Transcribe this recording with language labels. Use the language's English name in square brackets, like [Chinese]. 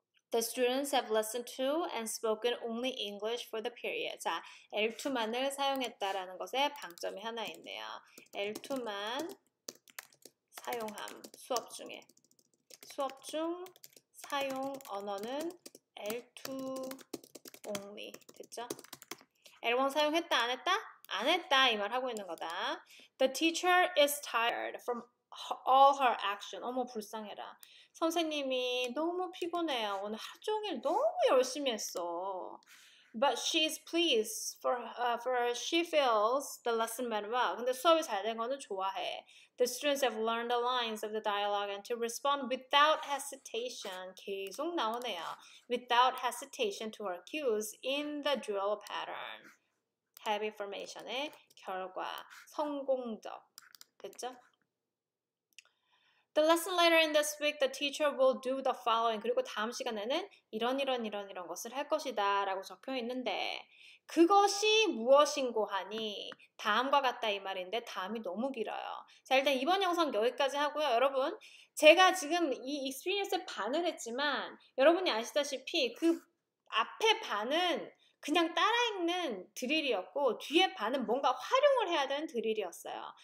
[English] The students have listened to and spoken only English for the period. [Korean] 자, L2만을 사용했다라는 것에 방점이 하나 있네요. L2만 사용함 수업 중에. 수업 중 사용 언어는 L2 only 됐죠? L1 사용했다 안 했다? 안 했다 이 말 하고 있는 거다. [English] The teacher is tired from all her action. [Korean] 어머 불쌍해라. 선생님이 너무 피곤해요. 오늘 하루 종일 너무 열심히 했어. [English] But she is pleased for she feels the lesson went well. [Korean] 근데 수업이 잘 된 거는 좋아해. [English] The students have learned the lines of the dialogue and to respond without hesitation. [Korean] 계속 나오네요. [English] Without hesitation to her cues in the drill pattern. [Korean] Habit formation의 결과. 성공적. 됐죠? [English] The lesson later in this week, the teacher will do the following. [Korean] 그리고 다음 시간에는 이런 것을 할 것이다 라고 적혀 있는데 그것이 무엇인고 하니 다음과 같다 이 말인데 다음이 너무 길어요. 자 일단 이번 영상 여기까지 하고요. 여러분 제가 지금 이 experience 반을 했지만 여러분이 아시다시피 그 앞에 반은 그냥 따라 읽는 드릴이었고 뒤에 반은 뭔가 활용을 해야 되는 드릴이었어요.